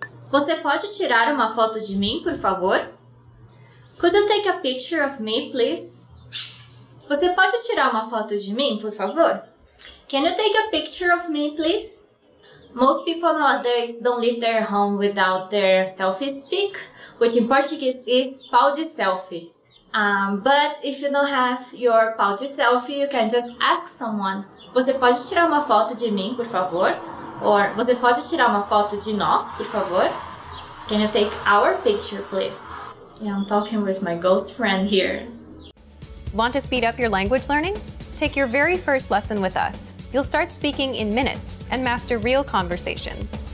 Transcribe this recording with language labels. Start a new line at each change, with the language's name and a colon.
Portuguese: Você pode tirar uma foto de mim, por favor?
English: Could you take a picture of me, please?
Portuguese: Você pode tirar uma foto de mim, por favor?
English: Can you take a picture of me, please? Most people nowadays don't leave their home without their selfie stick, which in Portuguese is pau de selfie. But if you don't have your pau de selfie, you can just ask someone.
Portuguese: Você pode tirar uma foto de mim, por favor? Or você pode tirar uma foto de nós, por favor?
English: Can you take our picture, please? Yeah, I'm talking with my ghost friend here. Want to speed up your language learning? Take your very first lesson with us. You'll start speaking in minutes and master real conversations.